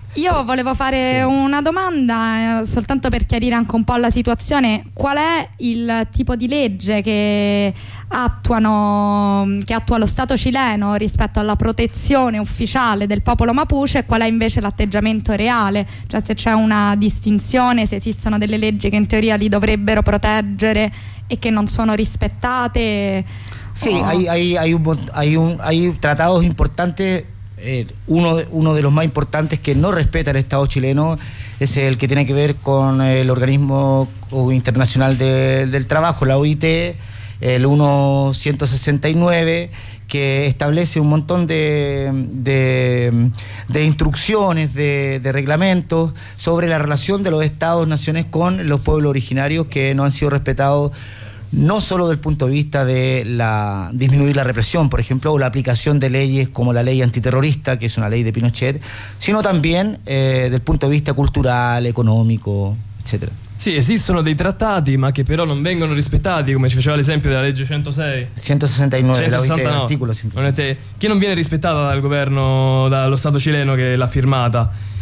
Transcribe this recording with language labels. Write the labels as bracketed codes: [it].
[it] io volevo fare una domanda soltanto per chiarire anche un po' la situazione: qual è il tipo di legge che attua lo Stato cileno rispetto alla protezione ufficiale del popolo mapuche, e qual è invece l'atteggiamento reale, cioè se c'è una distinzione, se esistono delle leggi che in teoria li dovrebbero proteggere e che non sono rispettate? [es] Sí, hay tratados importantes. Uno de los más importantes que no respeta el Estado chileno es el que tiene que ver con el Organismo Internacional del Trabajo, la OIT, el 169, que establece un montón de instrucciones, de reglamentos sobre la relación de los Estados-Naciones con los pueblos originarios que no han sido respetados. No solo del punto de vista de disminuir la represión, por ejemplo, o la aplicación de leyes como la ley antiterrorista, que es una ley de Pinochet, sino también del punto de vista cultural, económico, etcétera. [it] Sì, esistono dei trattati, ma che però non vengono rispettati, come ci faceva l'esempio della legge 106. 169, l'articolo 169. Che non viene rispettata dal governo, dallo Stato cileno che l'ha firmata.